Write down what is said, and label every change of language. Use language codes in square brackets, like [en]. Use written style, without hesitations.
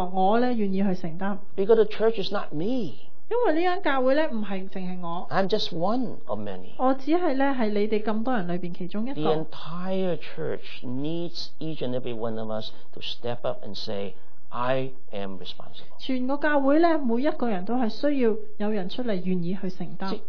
[zh] 其實我不需要你出來說我願意去承擔。 [en] Because the church is not me. [zh] 因為這間教會不只是我。 [en] I'm just one of many. [zh] 我只是你們這麼多人裡面其中一個。 [en] The entire church needs each and every one of us to step up and say, I am responsible. [zh] 全個教會每一個人都是需要有人出來願意去承擔。